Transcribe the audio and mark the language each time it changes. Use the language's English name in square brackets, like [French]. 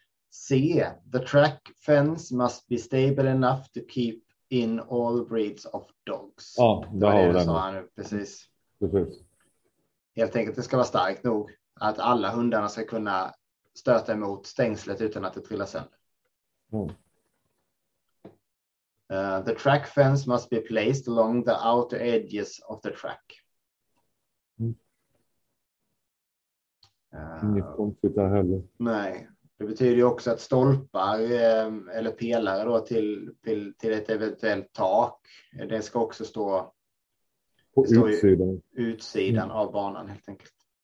[English] C. The track fence must be stable enough to keep in all breeds of dogs. [Swedish] Ja, det har vi den. Precis. Precis. Helt enkelt, det ska vara starkt nog att alla hundarna ska kunna stöta emot stängslet utan att det trillar sönder. [English] The track fence must be placed along the outer edges of the track. [Swedish] Inget konstigt där heller. Nej, det betyder ju också att stolpar eller pelare då till ett eventuellt tak, det ska också stå på utsidan. Utsidan av banan helt enkelt.